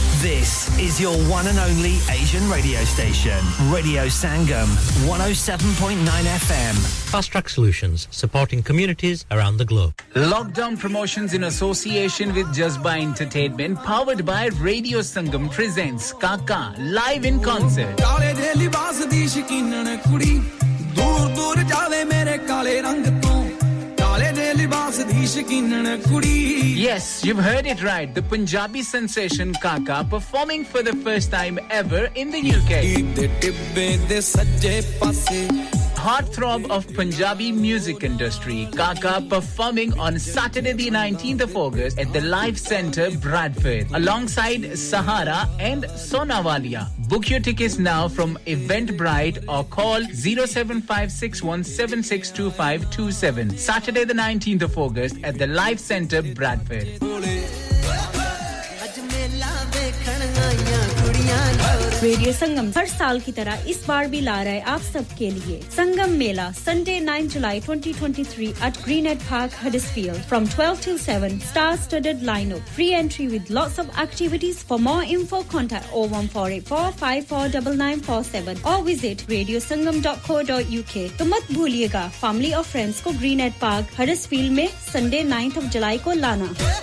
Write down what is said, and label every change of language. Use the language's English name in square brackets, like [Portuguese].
[English] This is your one and only Asian radio station. Radio Sangam, 107.9 FM. Fast Track Solutions, supporting communities around the globe. Lockdown Promotions in association with Jazba Entertainment, powered by Radio Sangam, presents Kaka, live in concert. [Punjabi] ਦੂਰ ਦੂਰ ਜਾਵੇ ਮੇਰੇ ਕਾਲੇ ਰੰਗ ਤੋਂ ਕਾਲੇ ਦੇ ਲਿਬਾਸ ਦੀ ਸ਼ਕੀਨਣ ਕੁੜੀ [English] Yes, you've heard it right. The Punjabi sensation Kaka performing for the first time ever in the UK. [Punjabi] ਦੇ ਟਿੱਬੇ ਦੇ ਸੱਜੇ ਪਾਸੇ [English] Heartthrob of Punjabi music industry, Kaka performing on Saturday the 19th of August at the Life Centre, Bradford, alongside Sahara and Sonawalia. Book your tickets now from Eventbrite or call 07561762527. Saturday the 19th of August at the Life Centre, Bradford. [Hindi] Radio संगम हर साल की तरह इस बार भी ला रहा है आप सब के लिए संगम मेला Sunday 9 July 2023 eight Greenhead park Huddersfield [English] from 12 to 7 star studded lineup free entry with lots of activities for more info contact [Hindi] 01484549947 और विजिट radiosangam.co.uk तो मत भूलिएगा फैमिली और फ्रेंड्स को ग्रीनहेड पार्क हडिसफील्ड में संडे 9th ऑफ जुलाई को लाना